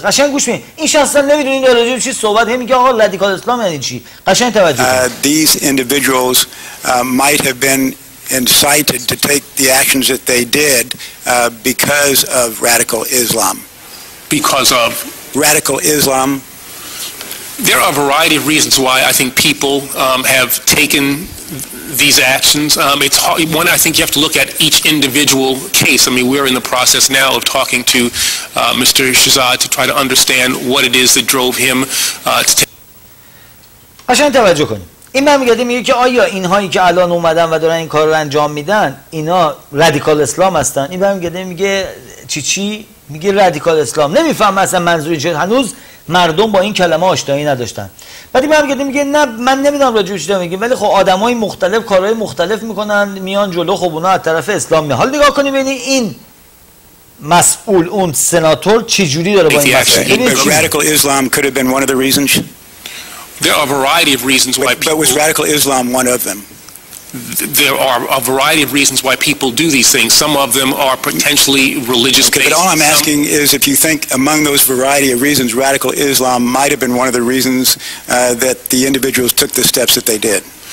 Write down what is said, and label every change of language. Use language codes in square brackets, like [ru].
[fa] قشنگ گوش بین، این شخصا نمیدونه این داره چی صحبت میگه. آقا رادیکال اسلام یعنی چی؟ قشنگ توجه کن. [en] These individuals might have been incited to take the actions that they did because of radical Islam. Because of? Radical Islam. There are a variety of reasons why I think people have taken these actions. It's hard, one, I think you have to look at each individual case. I mean, we're in the process now of talking to Mr. Shahzad to try to understand what it is that drove him to take. [fa] قشنگ توجه کنید. این من میگه میگه که آیا اینهایی که الان اومدن و دارن این کار رو انجام میدن اینا رادیکال اسلام هستن؟ این من میگه میگه چی چی؟ میگه رادیکال اسلام. نمیفهم اصلا منظور چیه. هنوز مردم با این کلمه آشنایی نداشتن. بعد این من میگه میگه نه من نمیدونم راجع به چی میگه ولی خب آدمای مختلف کارهای مختلف میکنن میان جلو خب اونها از طرف اسلام میان. حال نگاه کنید ببینید این مسئول اون سناتور چه جوری داره با این [en] Radical Islam could have been one of the reasons. There are a variety of reasons why people... But was radical Islam one of them? There are a variety of reasons why people do these things. Some of them are potentially religious based. But all I'm asking is if you think among those variety of reasons, radical Islam might have been one of the reasons that the individuals took the steps that they did.